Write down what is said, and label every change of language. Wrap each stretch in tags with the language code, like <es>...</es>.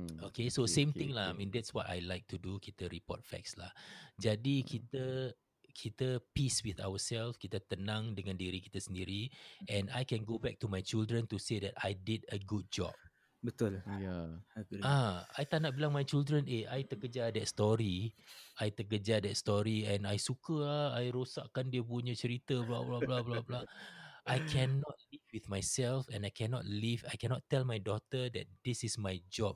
<en>Okay, so same thing lah. I mean, that's what I like to do.</en> <ms>Kita report facts lah. Jadi kita peace with ourselves. Kita tenang dengan diri kita sendiri.</ms> <en>And I can go back to my children to say that I did a good job.</en> <ms>Betul.</ms> <en>Yeah. I</en> <ms>tak nak bilang</ms> <en>my children, I</en> <ms>terkejar</ms> <en>that story. I terkejar that story and I</en> <ms>suka lah. I rosakkan dia punya cerita, blah blah blah blah blah.</ms> <en>I cannot live with myself and I cannot tell my daughter that this is my job.</en>